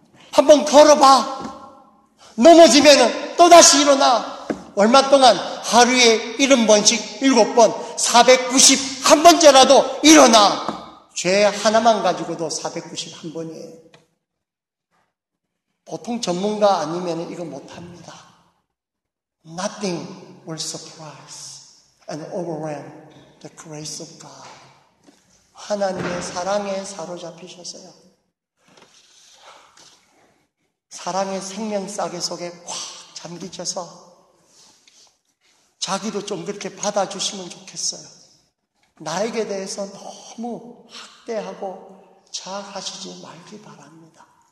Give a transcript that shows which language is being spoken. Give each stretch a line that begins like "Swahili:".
Korean: 한번 걸어봐 넘어지면은 또다시 일어나 얼마 동안 하루에 70번씩 7번 491번째라도 일어나 죄 하나만 가지고도 491번이에요. 보통 전문가 아니면 이거 못합니다.
English: Nothing will surprise and overwhelm the grace of God.
Korean: 하나님의 사랑에 사로잡히셨어요. 사랑의 생명싸개 속에 꽉 잠기셔서 자기도 좀 그렇게 받아주시면 좋겠어요. 나에게 대해서 너무 학대하고 자학하시지 말기 바랍니다.